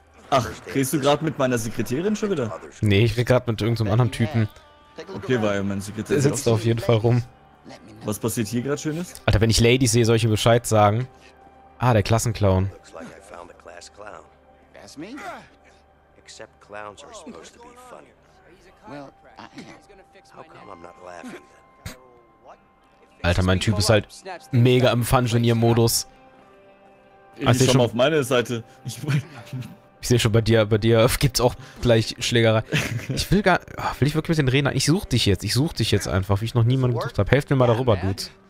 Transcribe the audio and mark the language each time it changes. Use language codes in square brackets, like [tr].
[de] Ach, redest du gerade mit meiner Sekretärin schon wieder? Nee, ich rede gerade mit irgendeinem anderen Typen. Okay, war ja mein Sekretär. Der sitzt auf jeden Fall rum. Was passiert hier gerade Schönes? Alter, wenn ich Ladies sehe, soll ich ihm Bescheid sagen? Ah, der Klassenclown. [en] Except clowns are supposed to be funny. Well, how come I'm not laughing? [de] Alter, mein Typ ist halt mega im Fun-Genier-Modus. Ich schau mal auf meine Seite. Ich sehe schon bei dir gibt's auch gleich Schlägerei. Ich will gar. Will ich wirklich mit den Reden? Ich such dich jetzt. Ich such dich jetzt einfach, wie ich noch niemanden gesucht habe. Helft mir mal darüber, dude.